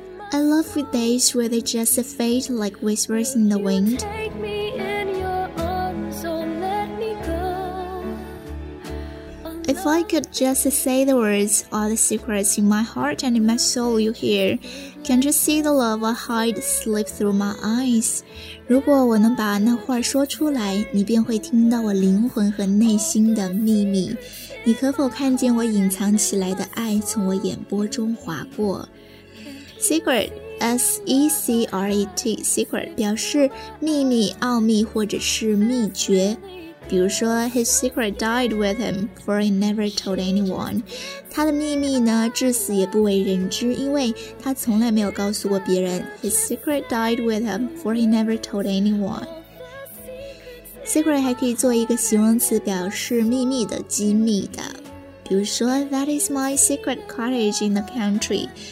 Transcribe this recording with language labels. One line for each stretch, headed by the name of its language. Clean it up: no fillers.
English: I love with days Will they just fade like whispers in the windIf I could just say the words, all the secrets in my heart and in my soul you hear, can't you see the love I hide slip through my eyes?
Chinese: 如果我能把那话说出来，你便会听到我灵魂和内心的秘密。你可否看见我隐藏起来的爱从我眼波中划过？
English: Secret, S-E-C-R-E-T, secret,
Chinese: 表示秘密、奥秘或者是秘诀。比如说
English: His secret died with him, for he never told anyone.
Chinese: 他的秘密呢，至死也不为人知，因为他从来没有告诉过别人。
English: His secret died with him, for he never told anyone.
Chinese: Secret 还可以做一个形容词，表示秘密的、机密的。比如说
English: That is my secret cottage in the country.